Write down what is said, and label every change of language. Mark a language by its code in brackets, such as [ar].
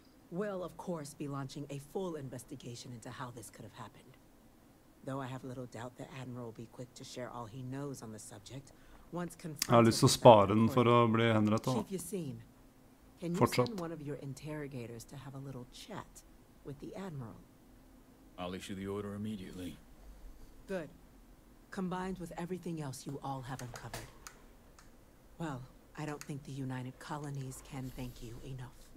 [en] We'll, of course, be launching a full investigation into how this could have happened. Though I have little doubt the Admiral will be quick to share all he knows on the subject. [no] Jeg har lyst til å spare den for å bli henrettet. [en] Chief Yassine, can you send one of your interrogators to have a little chat with the Admiral? I'll issue the order immediately. Good. Combined with everything else you all have uncovered. Well, I don't think the United Colonies can thank you enough.